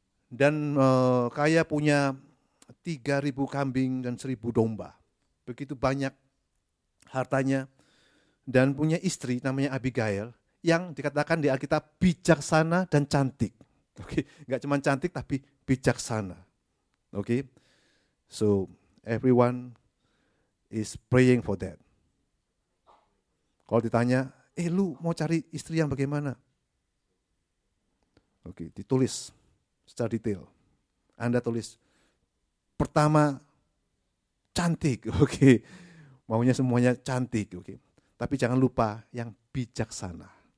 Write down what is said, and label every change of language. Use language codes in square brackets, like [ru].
[id] dan kaya punya 3.000 kambing dan 1.000 domba, begitu banyak hartanya, dan punya istri namanya Abigail yang dikatakan di Alkitab bijaksana dan cantik. Oke, enggak cuma cantik tapi bijaksana. [en] Okay, so everyone is praying for that. [id] Kalau ditanya, lu mau cari istri yang bagaimana? Okay, ditulis secara detail. Anda tulis, pertama cantik, okay. Maunya semuanya cantik, okay. Tapi jangan lupa yang bijaksana.